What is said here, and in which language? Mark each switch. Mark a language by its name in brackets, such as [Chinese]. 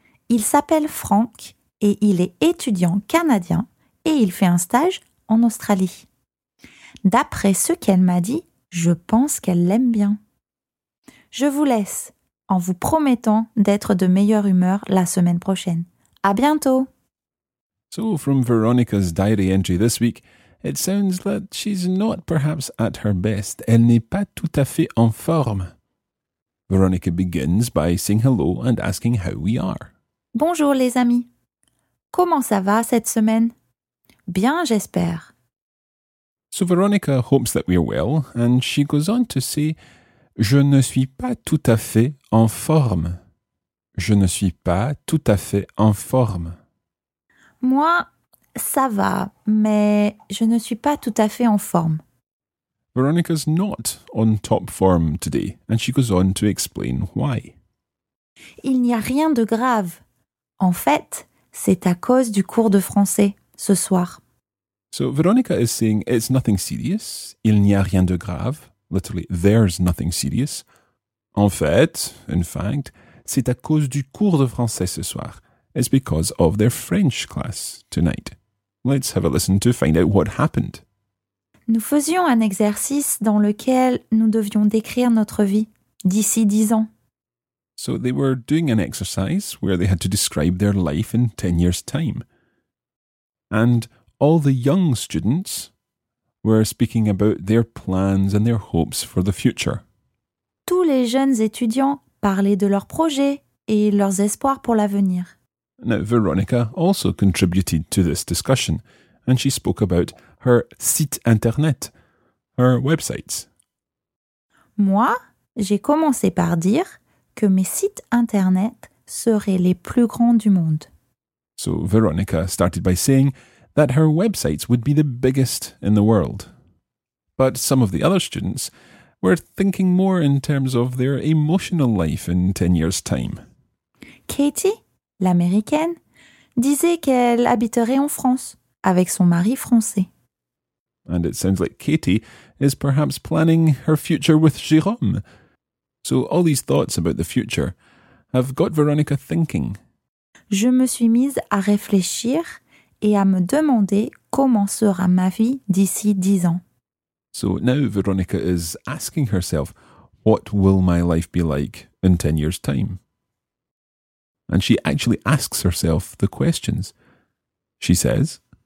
[French] Il s'appelle Frank et il est étudiant canadien et il fait un stage en Australie. D'après ce qu'elle m'a dit, je pense qu'elle l'aime bien. Je vous laisse, en vous promettant d'être de meilleure humeur la semaine prochaine. À bientôt! [English] So, from Veronica's diary entry this week, it sounds that she's not perhaps at her best. [French] Elle n'est pas tout à fait en forme. [English] Veronica begins by saying hello and asking how we are. [French] Bonjour les amis. Comment ça va cette semaine? Bien, j'espère. [English] So Veronica hopes that we are well and she goes on to say, [French] je ne suis pas tout à fait en forme. Je ne suis pas tout à fait en forme. Moi... ça va, mais je ne suis pas tout à fait en forme. [English] Veronica's not on top form today, and she goes on to explain why. [French] Il n'y a rien de grave. En fait, c'est à cause du cours de français, ce soir. [English] So Veronica is saying it's nothing serious. [French] Il n'y a rien de grave. [English] Literally, there's nothing serious. [French] En fait, [English] in fact, [French] c'est à cause du cours de français ce soir. [English] It's because of their French class tonight. Let's have a listen to find out what happened. [French] Nous faisions un exercice dans lequel nous devions décrire notre vie d'ici 10 ans. [English] So they were doing an exercise where they had to describe their life in 10 years' time. And all the young students were speaking about their plans and their hopes for the future. [French] Tous les jeunes étudiants parlaient de leurs projets et leurs espoirs pour l'avenir. [English] Now, Veronica also contributed to this discussion, and she spoke about her site internet, her websites. [French] Moi, j'ai commencé par dire que mes sites internet seraient les plus grands du monde. [English] So Veronica started by saying that her websites would be the biggest in the world. But some of the other students were thinking more in terms of their emotional life in 10 years' time. [French] Katie, l'américaine, disait qu'elle habiterait en France avec son mari français. [English] And it sounds like Katie is perhaps planning her future with Jérôme. So all these thoughts about the future have got Veronica thinking. [French] Je me suis mise à réfléchir et à me demander comment sera ma vie d'ici 10 ans. [English] So now Veronica is asking herself, what will my life be like in 10 years' time? And she actually asks herself the questions. She says,